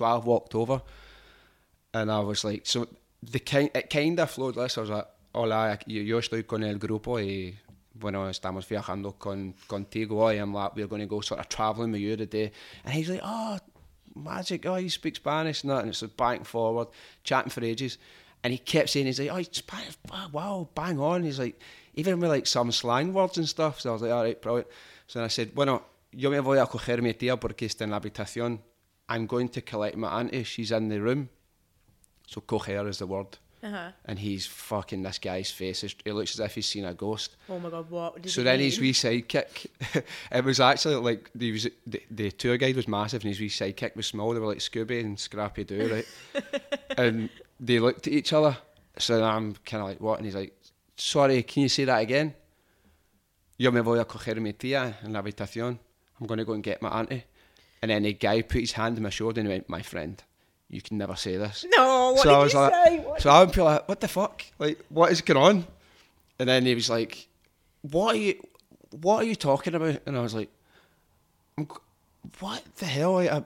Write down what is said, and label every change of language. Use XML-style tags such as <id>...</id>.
<en>So I've walked over and I was like, so it kind of flowed less. I was like,</en> <es>hola, yo estoy con el grupo y bueno, estamos viajando contigo hoy.</es> <en>I'm like, we're going to go sort of traveling with you today. And he's like, oh, magic. Oh, you speak Spanish. And it's like back and forward, chatting for ages. And he kept saying, he's like, oh, Spanish, wow, bang on. He's like, even with like some slang words and stuff. So I was like, all right, brilliant. So then I said,</en> <es>bueno, yo me voy a coger mi tía porque está en la habitación.</es> <en>I'm going to collect my auntie. She's in the room. So coger is the word. Uh-huh. And he's fucking, this guy's face, it looks as if he's seen a ghost. Oh my God, what did so he then mean? His wee sidekick, it was actually like, the tour guide was massive and his wee sidekick was small. They were like Scooby and Scrappy Doo, right? And they looked at each other. So then I'm kind of like, what? And he's like, sorry, can you say that again?</en> <es>yo me voy a coger mi tía en la habitación.</es> <en>I'm going to go and get my auntie. And then a guy put his hand on my shoulder and he went, my friend, you can never say this. No, what so did I was you like, say? What? So I'm like, what the fuck? Like, what is going on? And then he was like, what are you talking about? And I was like, what the hell?</en>